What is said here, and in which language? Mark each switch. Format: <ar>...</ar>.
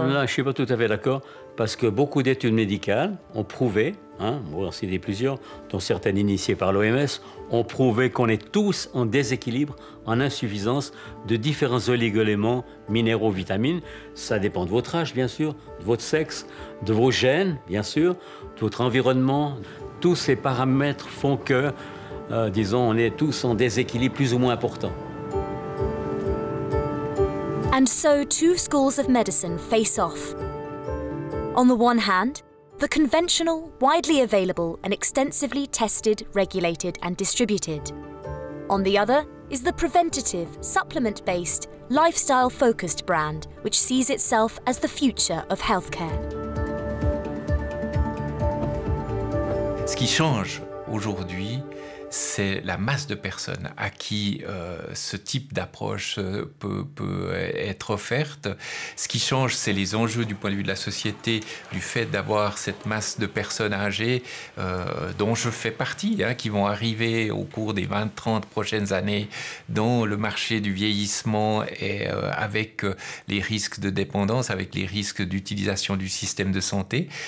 <fr>Je ne suis pas tout à fait d'accord, parce que beaucoup d'études médicales ont prouvé, on en a plusieurs, dont certaines initiées par l'OMS, ont prouvé qu'on est tous en déséquilibre, en insuffisance de différents oligo-éléments, minéraux, vitamines. Ça dépend de votre âge, bien sûr, de votre sexe, de vos gènes, bien sûr, de votre environnement. Tous ces paramètres font que, disons, on est tous en déséquilibre plus ou moins important.</fr> <en>And so two schools of medicine face off. On the one hand, the conventional, widely available and extensively tested, regulated and distributed. On the other is the preventative, supplement-based, lifestyle-focused brand, which sees itself as the future of healthcare.</en> <fr>Ce qui change aujourd'hui, c'est la masse de personnes à qui ce type d'approche peut être offerte. Ce qui change, c'est les enjeux du point de vue de la société, du fait d'avoir cette masse de personnes âgées dont je fais partie, qui vont arriver au cours des 20-30 prochaines années dans le marché du vieillissement et avec les risques de dépendance, avec les risques d'utilisation du système de santé.</fr>